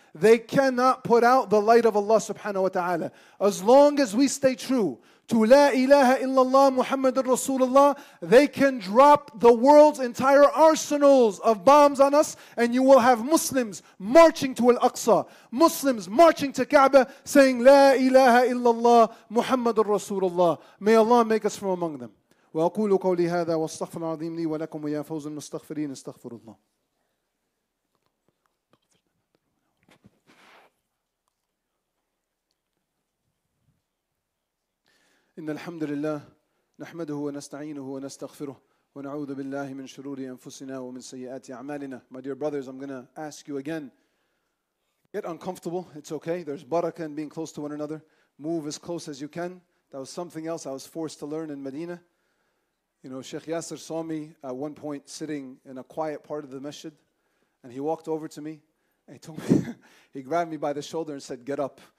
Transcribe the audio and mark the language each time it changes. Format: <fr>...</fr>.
<en>They cannot put out the light of Allah subhanahu wa ta'ala. As long as we stay true to La ilaha illallah Muhammadur Rasulullah, they can drop the world's entire arsenals of bombs on us, and you will have Muslims marching to Al-Aqsa, Muslims marching to Kaaba, saying La ilaha illallah Muhammadur Rasulullah. May Allah make us from among them.</en> <ar>وأقول قولي هذا واستغفر العظيم لي ولكم ويا فوز المستغفرين استغفر الله. إن الحمد لله نحمده ونستعينه ونستغفره ونعوذ بالله من شرور أنفسنا ومن سيئات أعمالنا.</ar> <en>My dear brothers, I'm gonna ask you again. Get uncomfortable. It's okay. There's barakah in being close to one another. Move as close as you can. That was something else I was forced to learn in Medina. You know, Sheikh Yasser saw me at one point sitting in a quiet part of the masjid, and he walked over to me and he grabbed me by the shoulder and said, get up.</en>